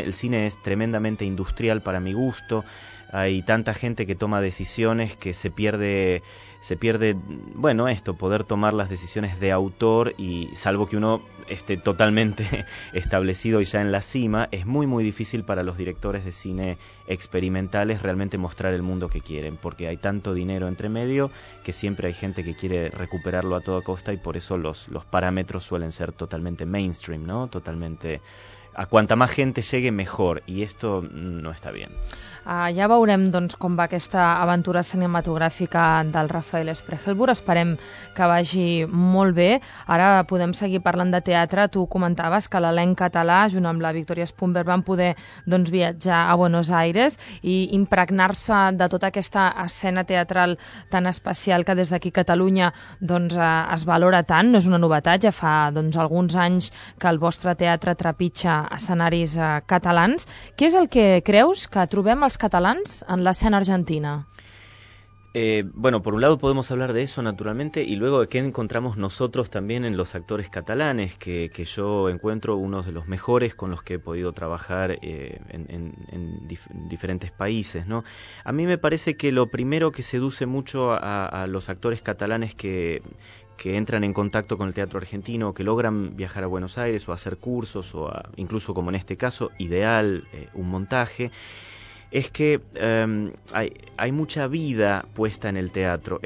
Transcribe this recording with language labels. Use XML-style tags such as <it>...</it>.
<es>El cine es tremendamente industrial para mi gusto. Hay tanta gente que toma decisiones que se pierde, bueno, esto, poder tomar las decisiones de autor, y salvo que uno esté totalmente establecido y ya en la cima, es muy muy difícil para los directores de cine experimentales realmente mostrar el mundo que quieren, porque hay tanto dinero entre medio que siempre hay gente que quiere recuperarlo a toda costa, y por eso los parámetros suelen ser totalmente mainstream, ¿no? Totalmente a cuanta más gente llegue mejor, y esto no está bien.</es> <ca>Ja veurem doncs com va aquesta aventura cinematogràfica del Rafael Sprechelbur. Esperem que vagi molt bé. Ara podem seguir parlant de teatre. Tu comentaves que l'elenc català, junt amb la Victoria Spumberg, van poder doncs viatjar a Buenos Aires i impregnar-se de tota aquesta escena teatral tan especial que des d'aquí Catalunya doncs es valora tant. No és una novetat, ja fa doncs alguns anys que el vostre teatre trepitja escenaris catalans. Què és el que creus que trobem els catalans en l'escena argentina?</ca> <es>Bueno, por un lado podemos hablar de eso naturalmente, y luego de qué encontramos nosotros también en los actores catalanes, que yo encuentro unos de los mejores con los que he podido trabajar en diferentes países, ¿no? A mí me parece que lo primero que seduce mucho a los actores catalanes que entran en contacto con el teatro argentino, que logran viajar a Buenos Aires o hacer cursos incluso como en este caso, ideal, un montaje, es que hay mucha vida puesta en el teatro.</es>